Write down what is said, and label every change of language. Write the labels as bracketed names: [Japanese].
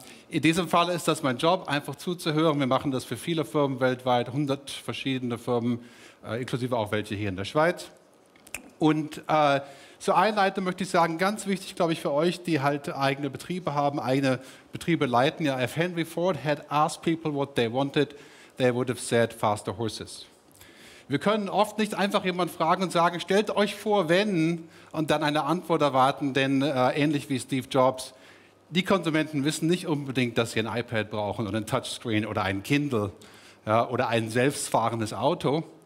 [German] In diesem Fall ist das mein Job, einfach zuzuhören. Wir machen das für viele Firmen weltweit, 100 verschiedene Firmen, inklusive auch welche hier in der Schweiz. Und zur Einleitung möchte ich sagen, ganz wichtig, glaube ich, für euch, die halt eigene Betriebe haben, eigene Betriebe leiten. [English] Ja, if Henry Ford had asked people what they wanted, they would have said faster horses. [German] Wir können oft nicht einfach jemanden fragen und sagen, stellt euch vor, wenn, und dann eine Antwort erwarten, denn ähnlich wie Steve Jobs, die Konsumenten wissen nicht unbedingt, dass sie ein iPad brauchen oder ein Touchscreen oder ein Kindle, ja, oder ein selbstfahrendes Auto.